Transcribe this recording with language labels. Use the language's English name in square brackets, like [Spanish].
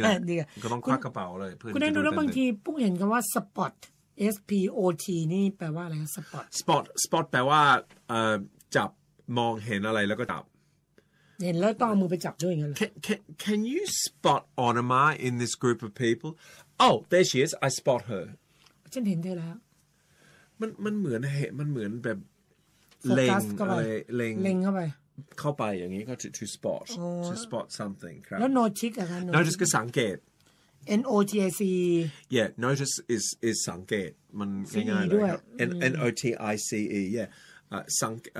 [Thai] ดีก็ต้องควักกระเป๋าเลยเพื่อ คุณได้ดูแล้วบางทีปุ้งเห็นคำว่า spot spot นี่แปลว่าอะไร spot แปลว่าจับมองเห็นอะไรแล้วก็จับ เห็นแล้วต้องเอามือไปจับด้วยอย่างนั้นเหรอ [English] Can you spot Onoma in this group of people? Oh, there she is. I spot her. [Thai] ฉันเห็นเธอแล้ว มันเหมือนเห็นมันเหมือนแบบเล็งอะไร เล็งเข้าไป เข้าไปอย่างนี้ก็ [English] to spot to spot something [Thai] ครับ แล้ว notice อะไร notice ก็สังเกต [English] notice yeah notice is [Thai] สังเกตมันง่ายๆด้วย [English] notice yeah [Thai] สัง